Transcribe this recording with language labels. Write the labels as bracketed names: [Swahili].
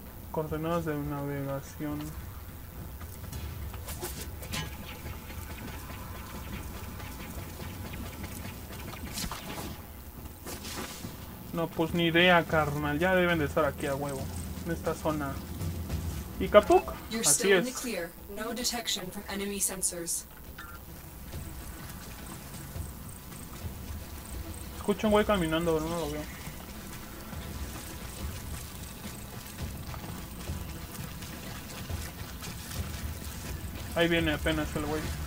[Spanish] Coordenadas de navegación. No, pues ni idea, carnal. Ya deben de estar aquí a huevo. En esta zona. ¿Y Capuc? Así es. [English] No detection from enemy sensors. [Spanish] Escucho un güey caminando, pero no lo veo. Ahí viene apenas el güey.